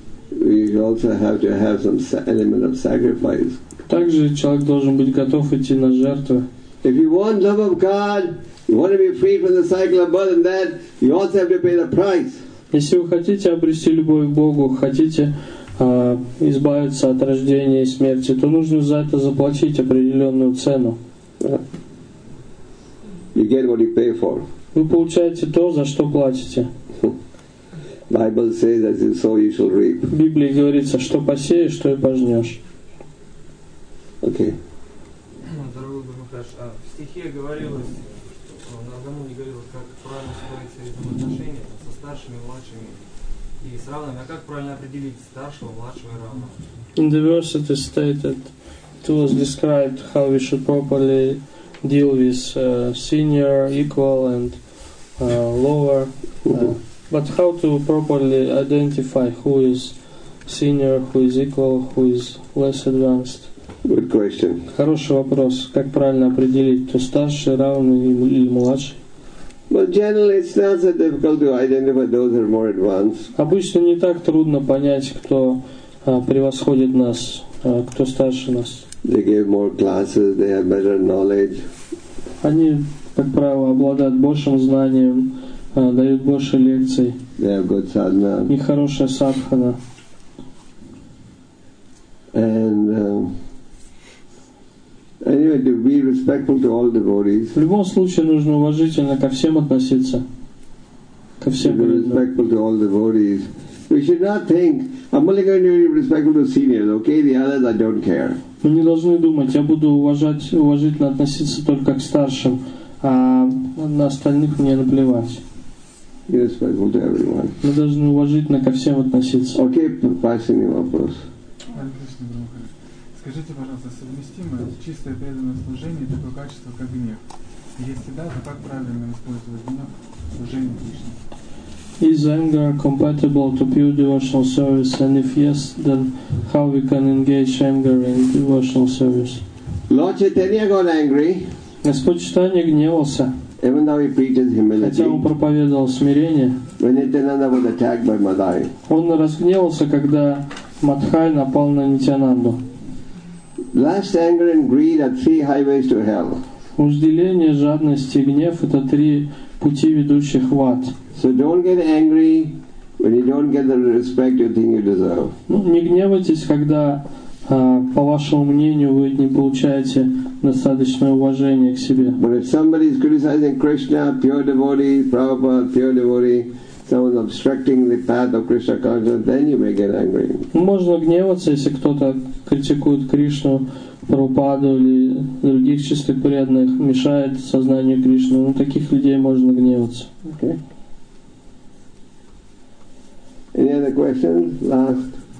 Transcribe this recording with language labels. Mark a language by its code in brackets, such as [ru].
[en] You also have to have some element of sacrifice. [ru] Также человек должен быть готов идти на жертвы. [en] If you want love of God, you want to be free from the cycle of birth and death, you also have to pay the price. [ru] Если вы хотите обрести любовь к Богу, хотите избавиться от рождения и смерти, то нужно за это заплатить определенную цену. [en] You get what you pay for. [ru] Вы получаете то, за что платите. [en] Bible says that you sow, you shall reap. [ru] В Библии говорится, что посеешь, то и пожнешь. Окей. Дорогой Гуру Махарадж, а в стихе говорилось, Нардамуни не говорил, как правильно строить свои отношения со старшими, младшими и с равными. А как правильно определить старшего, младшего и равного? [en] In the verse it is stated, it was described how we should properly deal with senior, equal and lower. But how to properly identify who is senior, who is equal, who is less advanced? Good question. [ru] Хороший вопрос. Как правильно определить, кто старше, равный или младший? [en] Well, generally it's not so difficult to identify those who are more advanced. [ru] Обычно не так трудно понять, кто превосходит нас, кто старше нас. [en] They give more classes, they have better knowledge. [ru] Они, как правило, обладают большим знанием, дают больше лекций. [en] They have good sadhana. [ru] И хорошая садхана. [en] And anyway, to be respectful to all devotees. [ru] В любом случае нужно уважительно ко всем относиться. Ко всем. [en] To be respectful to all devotees. We should not think I'm only going to be respectful to seniors. Okay, the others I don't care. [ru] Мы не должны думать, я буду уважительно относиться только к старшим, а на остальных мне наплевать. [en] Respectful to everyone. [ru] Мы должны уважительно ко всем относиться. Окей, последний вопрос. Скажите, пожалуйста, совместимо чистое преданное служение и такое качество, как гнев? Если да, то как правильно использовать гнев в служении Кришне? [en] Is anger compatible to pure devotional service? And if yes, then how we can engage anger in devotional service? Lord Chaitanya got angry. [ru] Господь Читания гневался. [en] Even though he preaches humility, [ru] хотя он проповедовал смирение, [en] when Nityananda was attacked by Madhai, [ru] он разгневался, когда Мадхай напал на Нитянанду. [en] Lust, anger, and greed are three highways to hell. [ru] Ужделение, жадность и гнев — это три пути, ведущих в ад. [en] So don't get angry when you don't get the respect you think you deserve. [ru] Ну, не гневайтесь, когда, по вашему мнению, вы не получаете достаточное уважение к себе. [en] But if somebody is criticizing Krishna, pure devotee, Prabhupada, pure devotee, someone obstructing the path of Krishna consciousness, then you may get angry. [ru] Можно гневаться, если кто-то критикует Кришну, Прабхупаду или других чистых преданных, мешает сознанию Кришны. Ну, таких людей можно гневаться. [en] Okay. Any other questions? Last.